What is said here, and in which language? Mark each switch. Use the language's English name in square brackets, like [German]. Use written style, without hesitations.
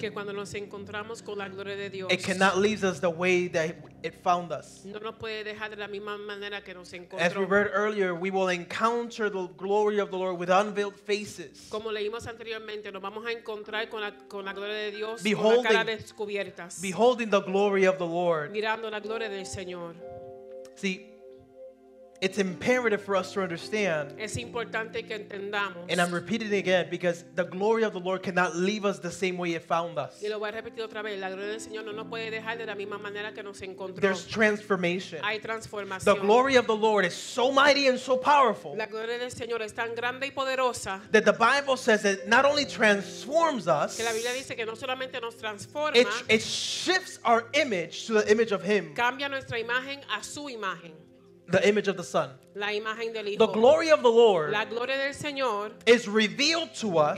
[Spanish] que cuando nos encontramos con la gloria de Dios, [English] it cannot leave us the way that it found us. [Spanish] No nos puede dejar de la misma manera que nos encontró. [English] As we read earlier, we will encounter the glory of the Lord with unveiled faces. [Spanish] Como leímos anteriormente, nos vamos a encontrar con la gloria de Dios [English] beholding, [Spanish] con la cara descubiertas. [English] Beholding the glory of the Lord. [Spanish] Mirando la gloria del Señor. [English] See, it's imperative for us to understand. [Spanish] Es importante que entendamos. [English] And I'm repeating it again because the glory of the Lord cannot leave us the same way it found us. [Spanish] Y lo voy a repetir otra vez. La gloria del Señor no nos puede dejar de la misma manera que nos encontró. [English] There's transformation. [Spanish] Hay transformación. [English] The glory of the Lord is so mighty and so powerful. [Spanish] La gloria del Señor es tan grande y poderosa. [English] That the Bible says it not only transforms us. [Spanish] Que la Biblia dice que no solamente nos transforma. [English] It shifts our image to the image of Him. [Spanish] Cambia nuestra imagen a su imagen. [English] The image of the Son. [Spanish] La imagen del Hijo. [English] The glory of the Lord. [Spanish] La gloria del Señor. [English] Is revealed to us.